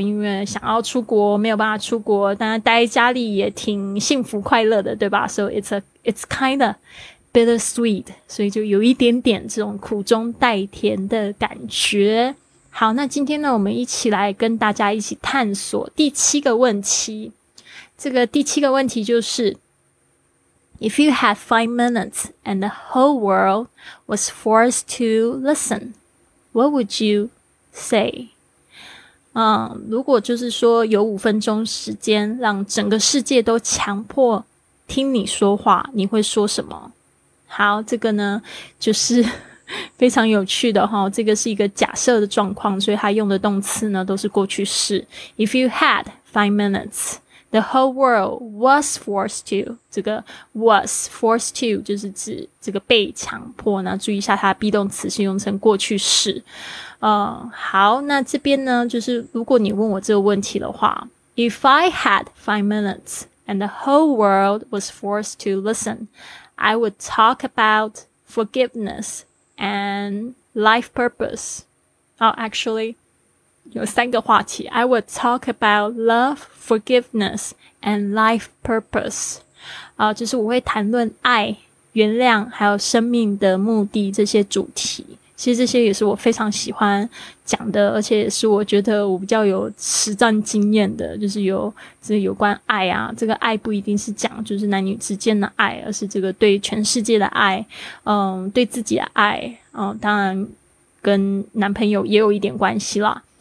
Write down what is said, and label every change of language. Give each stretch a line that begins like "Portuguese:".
Chinese: 因为想要出国没有办法出国，但待在家里也挺幸福快乐的，对吧？
English: So it's kind of bittersweet，
Chinese: 所以就有一点点这种苦中带甜的感觉。好，那今天呢我们一起来跟大家一起探索第七个问题。这个第七个问题就是
English: If you had 5 minutes and the whole world was forced to listen, what would you say?
Chinese: 如果就是说有5分钟时间让整个世界都强迫听你说话，你会说什么？好，这个呢就是非常有趣的哈，这个是一个假设的状况，所以它用的动词呢都是过去式。
English: If you had 5 minutes, the whole world was forced to,
Chinese: 这个
English: was forced to
Chinese: 就是指这个被强迫，那注意一下它的 be 动词是用成过去式。好，那这边呢就是如果你问我这个问题的话，
English: If I had 5 minutes and the whole world was forced to listen, I would talk about forgiveness and life purpose. Oh, actually,
Chinese: 有三个话题。
English: I would talk about love, forgiveness and life purpose.
Chinese: 就是我会谈论爱、原谅还有生命的目的这些主题。其实这些也是我非常喜欢讲的，而且也是我觉得我比较有实战经验的，就是有这有关爱啊，这个爱不一定是讲就是男女之间的爱，而是这个对全世界的爱，对自己的爱，当然跟男朋友也有一点关系啦。